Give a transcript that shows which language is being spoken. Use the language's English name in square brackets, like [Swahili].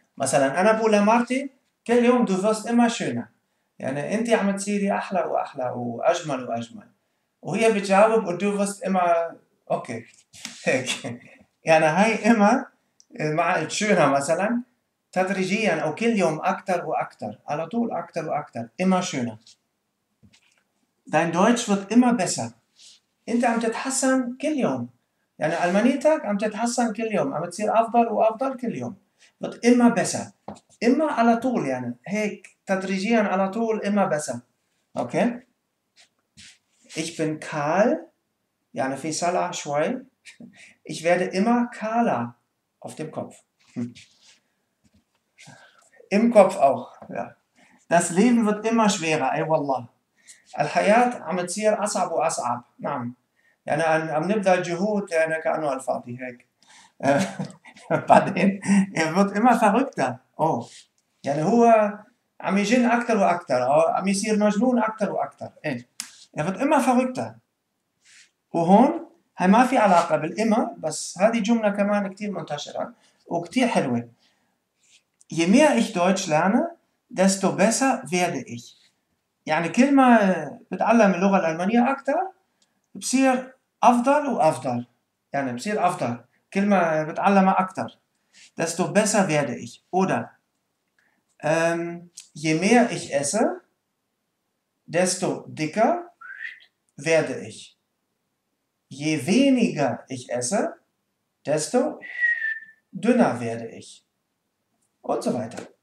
[Arabic] مثلا أنا بقول لمرتي كل يوم [German] دو فوست إما شونة [Arabic] يعني أنت عم تصيري أحلى وأحلى وأجمل وأجمل وهي بتجاوب دو فوست إما أوكي هيك يعني هاي إما مع الشونة مثلا تدريجيا او كل يوم اكثر واكثر على طول اكثر واكثر [German] immer schöner. Dein Deutsch wird immer besser. [Arabic] انت عم تتحسن كل يوم يعني المانيتك عم تتحسن كل يوم عم تصير افضل وافضل كل يوم. [German] Wird immer besser. [Arabic] Immer على طول يعني هيك تدريجيا على طول [German] immer besser. Okay. Ich bin kahl [Arabic] يعني في سلع شوي. [German] Ich werde immer kahler auf dem Kopf. Im Kopf auch, ja. Das Leben wird immer schwerer, ey wallah. [Arabic] الحياة عم تصير أصعب وأصعب. نعم. يعني عم نبذل جهود يعني كأنه الفاضي هيك. [German] بعدين er wird immer verrückter. Oh. [Arabic] يعني هو عم يجن أكثر وأكثر أو عم يصير مجنون أكثر وأكثر. ايه. [German] Er wird immer verrückter. [Arabic] وهون هي ما في علاقة بالإما بس هذه جملة كمان كتير منتشرة وكتير حلوة. [German] Je mehr ich Deutsch lerne, desto besser werde ich. [Arabic] يعني كل ما بتعلم اللغة الألمانية أكثر بصير أفضل وأفضل، يعني بصير أفضل كل ما بتعلم أكثر. [German] Desto besser werde ich. Oder je mehr ich esse, desto dicker werde ich. Je weniger ich esse, desto dünner werde ich. Und so weiter.